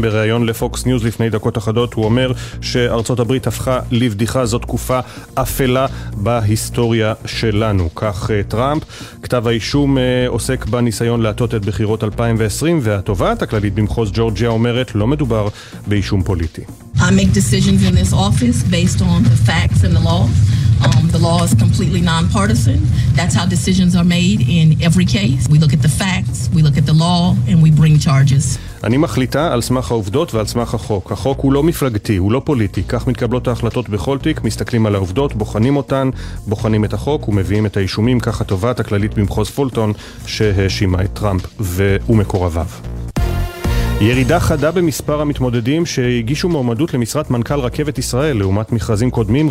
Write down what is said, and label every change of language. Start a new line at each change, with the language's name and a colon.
Hebrew: בריאיון לפוקס ניוז לפני דקות אחדות הוא אומר שארצות הברית הפכה לבדיחה, זאת תקופה אפלה בהיסטוריה שלנו. כך טראמפ. כתב האישום עוסק בניסיון להטות את בחירות 2020, והתובעת הכללית במחוז ג'ורג'יה אומרת לא מדובר באישום פוליטי.
English: I make decisions in this office based on the facts and the law. The law is completely nonpartisan. That's how decisions are made in every case. We look at the facts, we look at the law, and we bring charges.
Hebrew: אני מחליטה על סמך העובדות ועל סמך החוק. החוק הוא לא מפלגתי, הוא לא פוליטי. כך מתקבלות ההחלטות בכל תיק, מסתכלים על העובדות, בוחנים אותן, בוחנים את החוק ומביאים את האישומים. כך התובעת הכללית במחוז פולטון שהאשימה את טראמפ ומקורביו. ירידה חדה במספר המתמודדים שהגישו מועמדות למשרת מנכ״ל רכבת ישראל לעומת מכרזים קודמים.